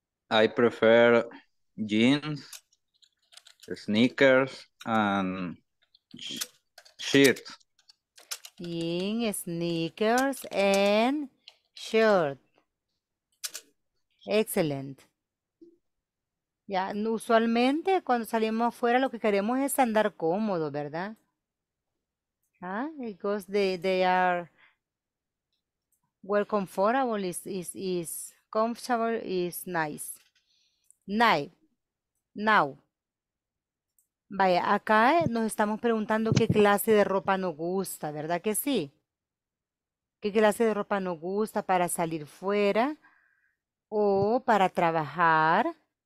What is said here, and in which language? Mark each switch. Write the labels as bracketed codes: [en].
[en] I prefer jeans, sneakers, and shirts. Sneakers and short. Excelente. [es] Ya, usualmente cuando salimos afuera lo que queremos es andar cómodo, ¿verdad? [en] Ah, because they are well comfortable is comfortable is nice. Now. [es] Vaya, acá nos estamos preguntando qué clase de ropa nos gusta, ¿verdad que sí? ¿Qué clase de ropa nos gusta para salir fuera o para trabajar?